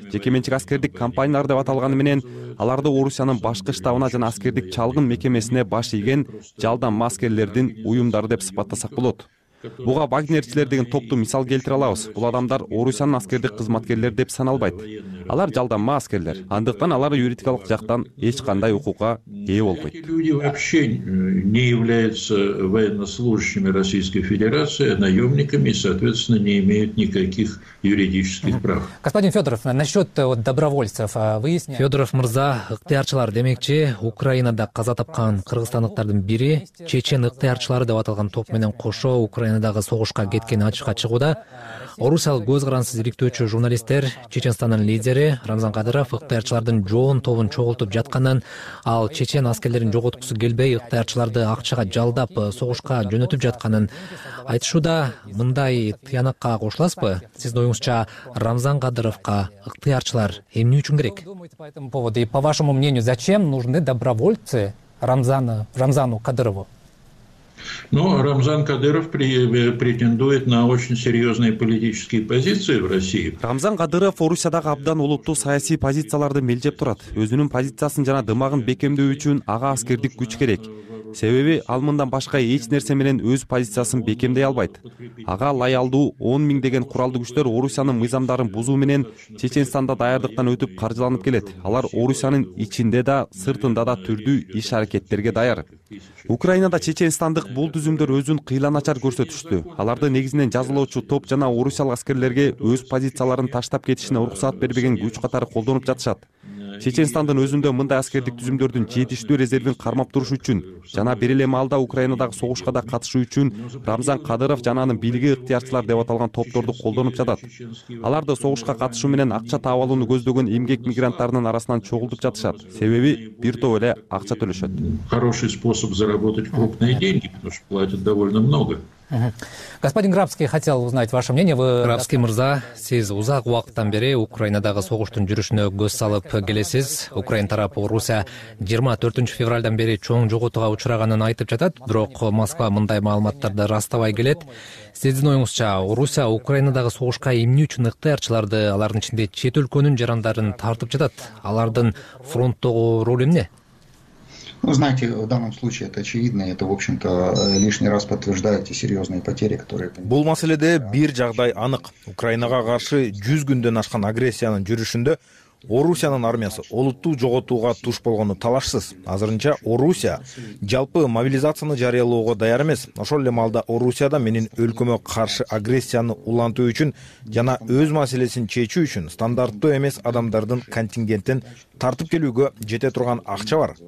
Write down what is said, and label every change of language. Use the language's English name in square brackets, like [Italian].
[Kyrgyz] Жеке менчик аскердик компаниялар деп аталганы менен аларды Орусиянын башкы штабына жана аскердик чалгын мекемесине баш ийген жалдамма аскерлердин уюмдары деп сыпаттасак болот. Буга вагнерчилер деген топту мисал келтире алабыз. Бул адамдар Орусиянын аскердик кызматкерлери деп саналбайт. Алар жалдамма аскерлер. Андыктан алар юридикалык жактан эч кандай укукка ээ болбойт. [Russian] Эти люди вообще не являются военнослужащими Российской Федерации, а наемниками и, соответственно, не имеют никаких юридических прав. Господин Федоров, насчет добровольцев выясняем. [Kyrgyz] Федоров мырза, ыктыярчылар демекчи, Украинада каза тапкан кыргызстандыктардын бири чечен ыктыярчылары деп аталган топ менен кошо Украина Украинадагы согушка кеткени ачыкка чыгууда. Орусиялык көз карансыз иликтөөчү журналисттер Чечестандын лидери Рамзан Кадыров ыктыярчылардын жоон тобун чогултуп жатканын, ал чечен аскерлерин жоготкусу келбей ыктыярчыларды акчага жалдап согушка жөнөтүп жатканын айтышууда. Мындай тыянакка кошуласызбы? Сиздин оюңузча Рамзан Кадыровко ыктыярчылар эмне үчүн керек? [Russian] По вашему мнению, зачем нужны добровольцы Рамзану Кадырову? Но Рамзан Кадыров претендует на очень серьезные политические позиции в России. [Kyrgyz] Рамзан Кадыров Орусиядагы абдан улуттуу саясий позицияларды мелдеп турат. Өзүнүн позициясын жана дымагын бекемдөө үчүн ага аскердик күч керек. Себеби ал мындан башка эч нерсе менен өз позициясын бекемдей албайт. Ага лаялдуу 10,000 деген куралды күчтөр Орусиянын мыйзамдарын бузуу менен Чеченстанда даярдыктан өтүп каржыланып келет. Алар Орусиянын ичинде да, сыртында да түрдүү иш аракеттерге даяр. Украинада чечестандык бул түзүмдөр өзүн кыйланачар көрсөтүштү. Аларды негизинен жазалоочу топ жана орусиялык аскерлерге өз позицияларын таштап кетишине уруксат бербеген күч катары колдонуп жатышат. Чечестандын өзүндө мындай аскердик түзүмдөрдүн жетиштүү резервин кармап туруш үчүн жана бир эле маалда Украинадагы согушка да катышуу үчүн Рамзан Кадыров жана анын бийлиги ыктыярчылар деп аталган топторду колдонуп жатат. Аларды согушка катышуу менен акча таап алууну көздөгөн эмгек мигранттарынын арасынан чогултуп жатышат. Себеби бир топ эле акча төлөшөт. [Russian] Хороший способ заработать крупные деньги, потому что платят довольно много. Господин Грабский, хотел узнать ваше мнение. [Kyrgyz] Грабский мырза, сиз узак убакыттан бери Украинадагы согуштун жүрүшүнө көз салып келесиз. Украина тарапы Орусия 24 февралдан бери чоң жоготууга учураганын айтып жатат, бирок Москва мындай маалыматтарды ырастабай келет. Сиздин оюңузча Орусия Украинадагы согушка эмне үчүн ыктыярчыларды, алардын ичинде чет өлкөнүн жарандарын тартып жатат? Алардын фронттогу ролу эмне? [Russian] Ну, знаете, в данном случае это очевидно, это, в общем-то, лишний раз подтверждает те серьезные потери, которые... [Kyrgyz] Бул маселеде бир жагдай анык. Украинага каршы 100 күндөн ашкан агрессиянын жүрүшүндө Орусиянын армиясы олуттуу жоготууга туш болгону талашсыз. Азырынча Орусия жалпы мобилизацияны жарыялоого даяр эмес. Ошол эле маалда Орусияда менин өлкөмө каршы агрессияны улантуу үчүн жана өз маселесин чечүү үчүн стандарттуу эмес адамдардын контингентин тартып келүүгө жете турган акча бар.